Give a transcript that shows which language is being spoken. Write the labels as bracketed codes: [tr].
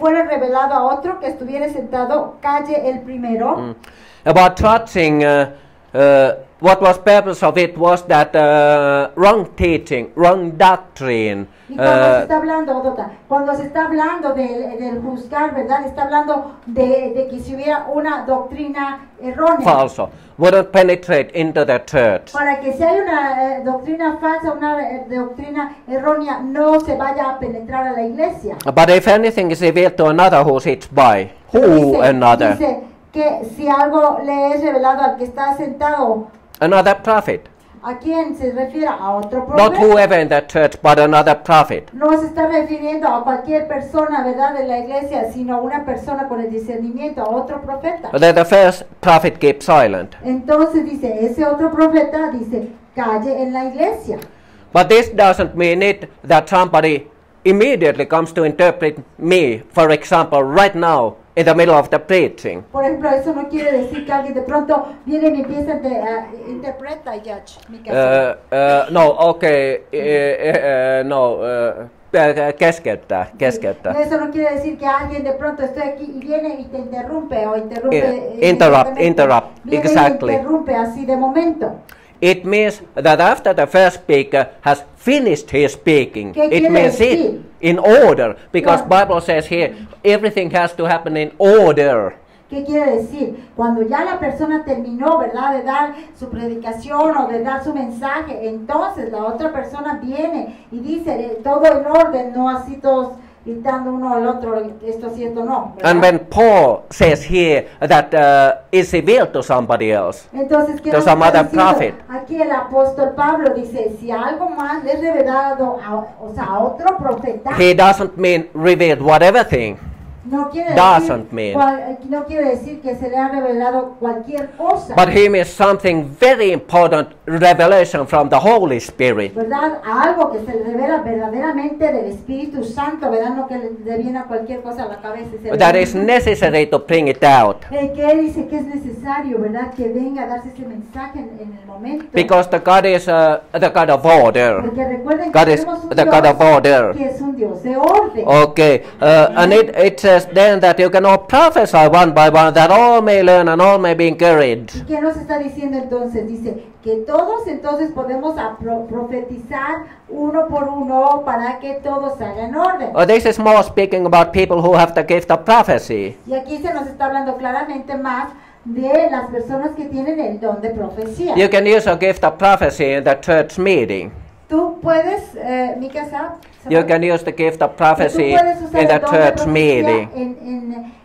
[es] Fuera revelado a otro que estuviera sentado, calle el primero. [en] About touching, what was purpose of it was that wrong teaching, wrong doctrine. [es] Cuando se está hablando del juzgar, ¿verdad? Está hablando de que si hubiera una doctrina errónea. [en] Falso. Wouldn't penetrate into the church. [es] Para que si hay una doctrina falsa, una doctrina errónea, no se vaya a penetrar a la iglesia. [en] But if anything is revealed to another who sits by, who [es] dice, [en] another? [es] Dice que si algo le es revelado al que está sentado. [en] Another prophet. [es] ¿A quién se refiere? A otro profeta. [en] Not whoever in that church, but another prophet. [es] No se está refiriendo a cualquier persona, ¿verdad?, de la iglesia, sino a una persona con el discernimiento, a otro profeta. [en] Then the first prophet keeps silent. [es] Entonces dice, ese otro profeta dice, calle en la iglesia. [en] But this doesn't mean it that somebody immediately comes to interpret me, for example, right now, in the middle of the preaching. [es] Por ejemplo, eso no quiere decir que alguien de pronto viene y me empieza a interpretar y [fi] keskeyttää. [es] Sí. Eso no quiere decir que alguien de pronto esté aquí y viene y te interrumpe o interrumpe. [en] Interrupt. Exactly. [es] Viene y interrumpe así de momento. [en] It means that after the first speaker has finished his speaking, it means it in order, because the Bible says here everything has to happen in order. [es] ¿Qué quiere decir? Cuando ya la persona terminó, ¿verdad?, de dar su predicación o de dar su mensaje, entonces la otra persona viene y dice todo en orden, no así todos gritando uno al otro, esto sí, esto no, ¿verdad? [en] And when Paul says here that it's revealed to somebody else, [es] entonces, [en] to some other prophet. [es] Aquí el apóstol Pablo dice, si algo más le es revelado a, o sea, a otro profeta. [en] He doesn't mean revealed whatever thing. [es] No quiere decir que se le ha revelado cualquier cosa. [en] But he means something very important, revelation from the Holy Spirit. [es] ¿Verdad? Algo que se revela verdaderamente del Espíritu Santo, ¿verdad? No que le viene a cualquier cosa a la cabeza. [en] That is necessary to bring it out. [es] Que él dice que es necesario, ¿verdad? Que venga a darse ese mensaje en el momento. [en] Because the God is the God of order. [es] Porque recuerden [en] God [es] que [en] is [es] un [en] the [es] Dios [en] God of order. [es] Que es un Dios de orden. Okay. [en] And it says then that you can all prophesy one by one, that all may learn and all may be encouraged. [es] ¿Qué nos está diciendo entonces? Dice que todos entonces podemos profetizar uno por uno para que todos salgan orden. [en] Oh, this is more speaking about people who have the gift of prophecy. [es] Y aquí se nos está hablando claramente más de las personas que tienen el don de profecía. [en] You can use a gift of prophecy in the church meeting. [es] Tú puedes, Mikasa. [en] You can use the gift of prophecy in the church meeting.